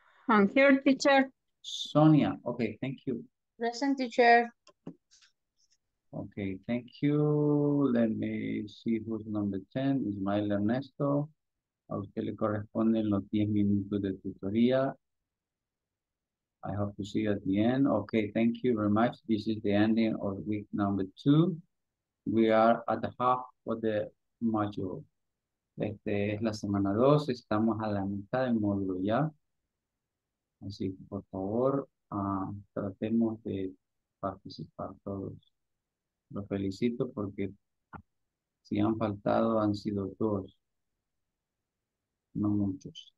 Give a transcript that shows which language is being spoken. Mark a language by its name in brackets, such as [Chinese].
[English] I'm here, teacher. Sonia. Okay, thank you. Present, teacher. Okay, thank you. Let me see who's number 10. Ismael Ernesto. [Spanish] A usted le corresponden los 10 minutos de tutoría. [English] I hope to see you at the end. Okay, thank you very much. This is the ending of week number 2. We are at the half of the module. [Spanish] Este es la semana 2. Estamos a la mitad del módulo ya. Así que, por favor, tratemos de participar todos. Lo felicito porque si han faltado han sido dos, no muchos.